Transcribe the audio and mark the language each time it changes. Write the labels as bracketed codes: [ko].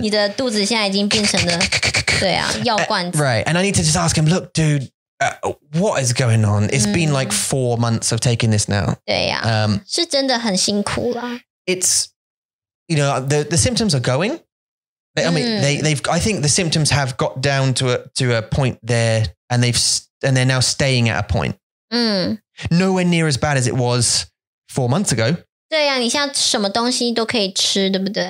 [zh] 你的肚子现在已经变成了，对啊，药罐子。 [en] Right, and I need to just ask him, look, dude, what is going on? It's been like 4 months of taking this now. [zh] 对啊，是真的很辛苦啦。 [en] It's, you know, the symptoms are going. But, I mean, I think the symptoms have got down to a point there and they're now staying at a point. Nowhere near as bad as it was 4 months ago. [zh] 对啊，你现在什么东西都可以吃，对不对？